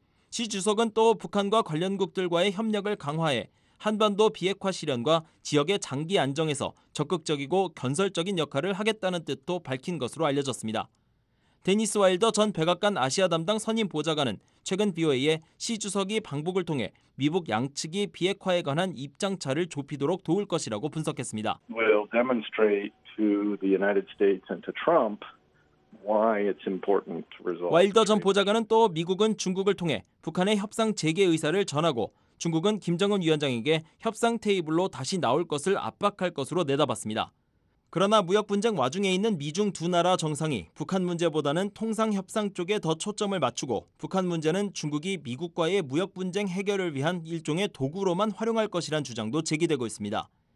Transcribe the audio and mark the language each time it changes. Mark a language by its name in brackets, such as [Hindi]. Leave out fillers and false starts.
[Korean] 시 주석은 또 북한과 관련국들과의 협력을 강화해 한반도 비핵화 실현과 지역의 장기 안정에서 적극적이고 건설적인 역할을 하겠다는 뜻도 밝힌 것으로 알려졌습니다. 데니스 와일더 전 백악관 아시아 담당 선임 보좌관은 최근 BOA에 시 주석이 방북을 통해 미북 양측이 비핵화에 관한 입장차를 좁히도록 도울 것이라고 분석했습니다. [English] We'll demonstrate to the United States and to Trump why it's important. [Korean] 와일더 전 보좌관은 또 미국은 중국을 통해 북한의 협상 재개 의사를 전하고 중국은 김정은 위원장에게 협상 테이블로 다시 나올 것을 압박할 것으로 내다봤습니다. 그러나 무역 분쟁 와중에 있는 미중 두 나라 정상이 북한 문제보다는 통상 협상 쪽에 더 초점을 맞추고 북한 문제는 중국이 미국과의 무역 분쟁 해결을 위한 일종의 도구로만 활용할 것이란 주장도 제기되고 있습니다.